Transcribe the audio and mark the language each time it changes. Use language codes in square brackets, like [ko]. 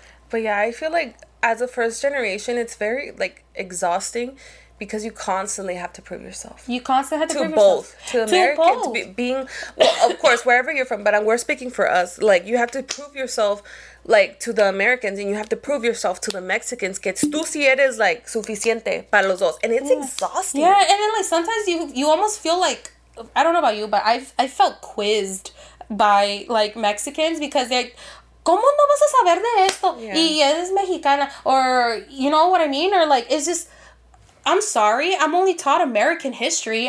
[en] But yeah, I feel like as a first generation, it's very, like, exhausting because you constantly have to prove yourself. You constantly have to prove yourself. To both. Well, of course, wherever you're from, but we're speaking for us. Like, you have to prove yourself, like, to the Americans, and you have to prove yourself to the Mexicans. [es] Que tú si eres, like, suficiente para los dos. [en] And it's exhausting. Yeah, and then, like, sometimes you almost feel like, I don't know about you, but I felt quizzed by, like, Mexicans because they're like, [es] ¿cómo no vas a saber de esto? [en] Yeah. [es] Y eres mexicana. [en] Or, you know what I mean? Or, like, it's just, I'm sorry, I'm only taught American history.